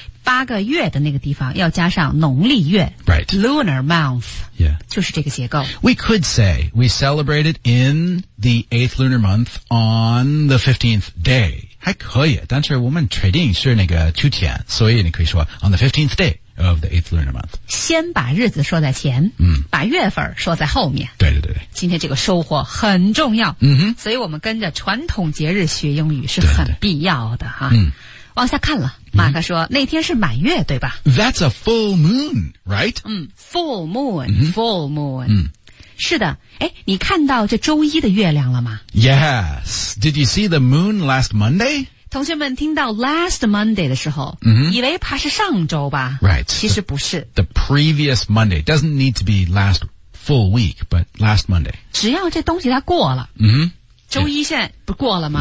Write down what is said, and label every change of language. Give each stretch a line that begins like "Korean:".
Chinese: 八个月的那个地方要加上农历月。
English: Right. Lunar month. Yeah.
Chinese: 就是这个结构。
English: We could say we celebrated in the eighth lunar month on the 15th day.
Chinese: 还可以，但是我们确定是那个秋天，所以你可以说
English: on the 15th day. Of the eighth lunar month.
Chinese: 先把日子说在前、把月份说在后面。对对对。今天这个收获很重要。嗯哼。所以我们跟着传统节日学英语是很必要的哈。对对对。往下看了、马克说那天是满月对吧
English: ?That's a full moon, right? Full moon,、full moon.、
Chinese: 是的诶你看到这周一的月亮了吗
English: ?Yes, did you see the moon last Monday?
Chinese: 同学们听到
English: last Monday
Chinese: 的时候、以为怕是上周吧
English: Right.
Chinese: 其实不是
English: the previous Monday doesn't need to be last full week but last Monday
Chinese: 只要这东西它过了、周一现在不过了吗